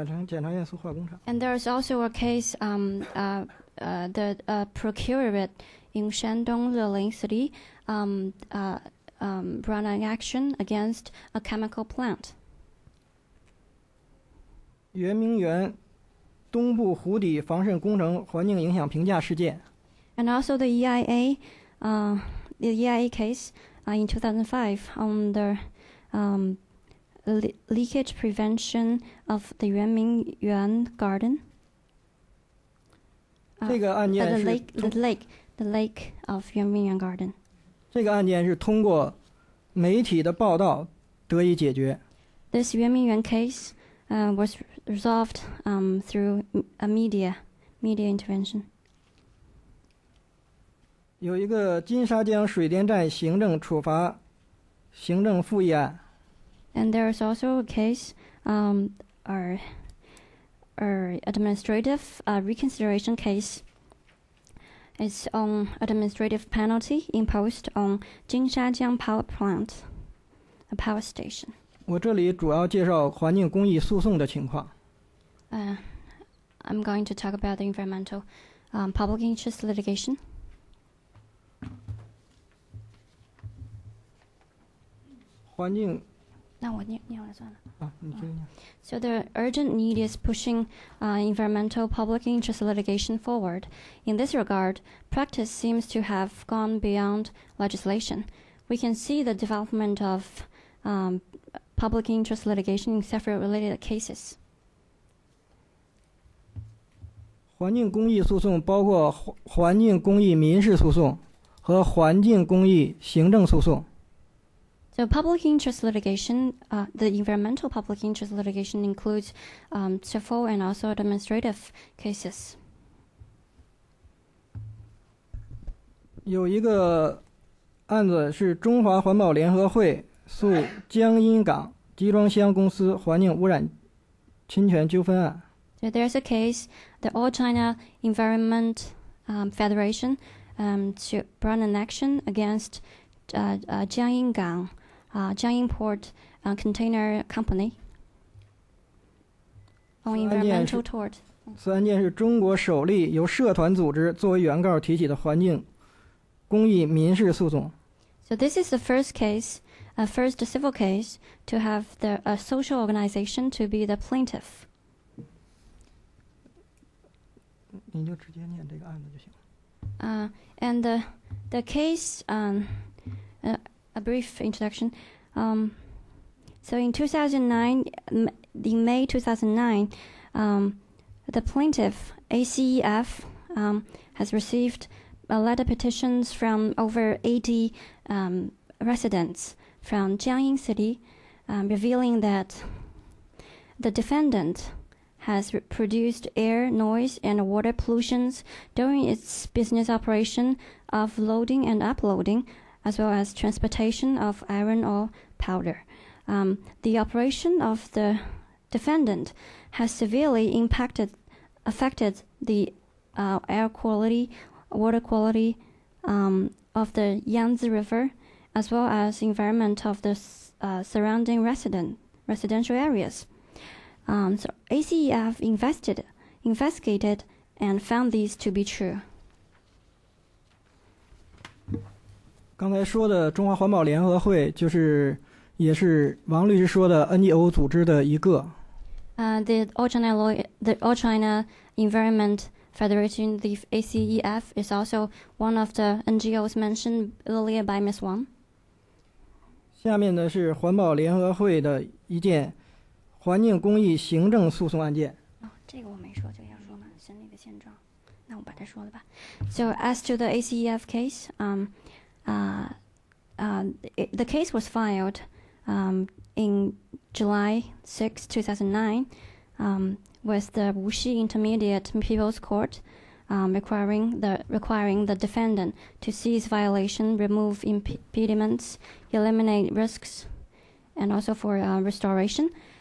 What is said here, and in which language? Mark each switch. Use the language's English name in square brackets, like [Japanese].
[English] And there is also a case, the procurement in Shandong, Liling City, brought an action against a chemical plant. [Chinese] 圆明园东部湖底防渗工程环境影响评价事件。 [English] And also the EIA, the EIA case in 2005 on the. Leakage prevention of the Yuanming Yuan Garden. The lake of Yuanming Yuan Garden. [Chinese] 这个案件是通过媒体的报道得以解决。 [English] This Yuanming Yuan case was resolved through a media intervention. [Chinese] 有一个金沙江水电站行政处罚行政复议案。 [English] And there is also a case, our administrative reconsideration case. It's on administrative penalty imposed on Jingshajiang power plant, a power station. [Chinese] 我这里主要介绍环境公益诉讼的情况。 [English] I'm going to talk about the environmental, public interest litigation. [Chinese] 环境。那我念完了算了。啊，你接着念。 [English] So the urgent need is pushing environmental public interest litigation forward. In this regard, practice seems to have gone beyond legislation. We can see the development of public interest litigation in several related cases. [Chinese] 环境公益诉讼包括环境公益民事诉讼和环境公益行政诉讼。 [English] So public interest litigation, the environmental public interest litigation includes civil and also administrative cases. [Chinese] 有一个案子是中华环保联合会诉江阴港集装箱公司环境污染侵权纠纷案。 [English] So there's a case, the All China Environment Federation to brought an action against Jiangyin Gang, Jiangyin Port Container Company on environmental tort. [Chinese] 此案件是中国首例由社团组织作为原告提起的环境公益民事诉讼。 [English] So this is the first case, first civil case to have the social organization to be the plaintiff. [Chinese] 您就直接念这个案子就行了。 [English] And the case, a brief introduction. So in 2009, in May 2009, the plaintiff, ACEF, has received letter petitions from over 80 residents from Jiangyin City, revealing that the defendant,has produced air noise and water pollutions during its business operation of loading and uploading, as well as transportation of iron ore powder. The operation of the defendant has severely affected the air quality, water quality of the Yangtze River, as well as environment of the surrounding residential areas. So ACEF investigated and found these to be true. [Chinese] 刚才说的中华环保联合会就是也是王律师说的 NGO 组织的一个。 [English] The All China Environment Federation, the ACEF, is also one of the NGOs mentioned earlier by Ms. Wang. [Chinese] 下面呢是环保联合会的一件环境公益行政诉讼案件。这个我没说，这个要说吗？审理的现状，那我把它说了吧。 [English] So as to the ACEF case, the case was filed in July 6, 2009, with the Wuxi Intermediate People's Court, requiring the defendant to cease violation, remove impediments, eliminate risks, and also for restoration.